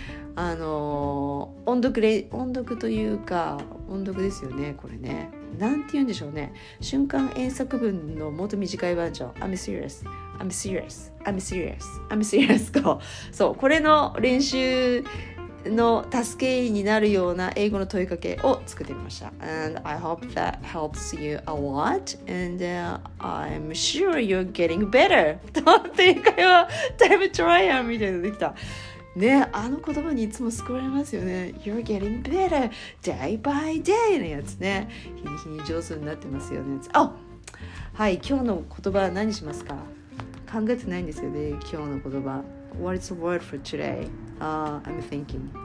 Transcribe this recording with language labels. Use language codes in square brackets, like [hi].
[ja] 音読というか、音読ですよね、これね。なんて言うんでしょうね。瞬間演作文のもっと短いバージョン。 [en] I'm serious. [ja] こう、そう、これの練習の助けになるような英語の問いかけを作ってみました。 [en] And I hope that helps you a lot. And、I'm sure you're getting better. [ja] という会話、タイムトライアルみたいなのできた。ね、あの言葉にいつも救われますよね。 [en] You're getting better day by day [ja] のやつね。日に日に上手になってますよね。あ、はい、今日の言葉は何にしますか。考えてないんですよね、今日の言葉。 [en] What is the word for today?、I'm thinking.